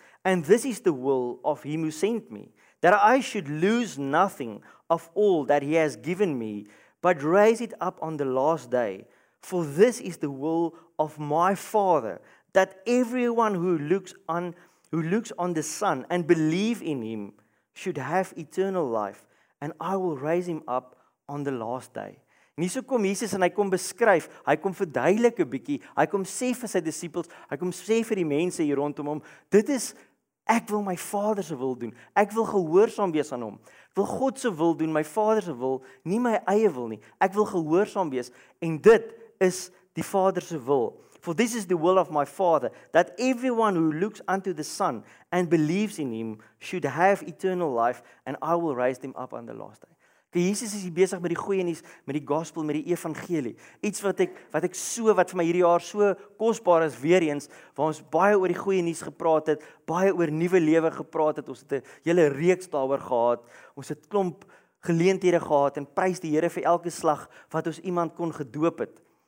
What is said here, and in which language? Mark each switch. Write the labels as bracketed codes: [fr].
[en] And this is the will of him who sent me, that I should lose nothing of all that he has given me, but raise it up on the last day. For this is the will of my Father, that everyone who looks on the Son and believe in him should have eternal life, and I will raise him up on the last day. [af] En hierso kom Jesus en hy kom beskryf, hy kom verduidelik 'n bietjie, hy kom sê vir sy disippels, hy kom sê vir die mense hier rondom hom, dit is, ek wil my Vader se wil doen, ek wil gehoorsaam wees aan hom, ek wil God se wil doen, my Vader se wil, nie my eie wil nie, ek wil gehoorsaam wees, en dit is die Vader se wil. [en] For this is the will of my Father, that everyone who looks unto the Son and believes in him should have eternal life, and I will raise them up on the last day. [af] Jesus is hier besig met die goeie nuus, met die gospel, met die evangelie. Iets wat vir my hierdie jaar so kosbaar is weer eens, waar ons baie oor die goeie nuus gepraat het, baie oor nuwe lewe gepraat het, ons het 'n hele reeks daaroor gehad, ons het klomp geleenthede gehad, en prys die Here vir elke slag wat ons iemand kon gedoop het.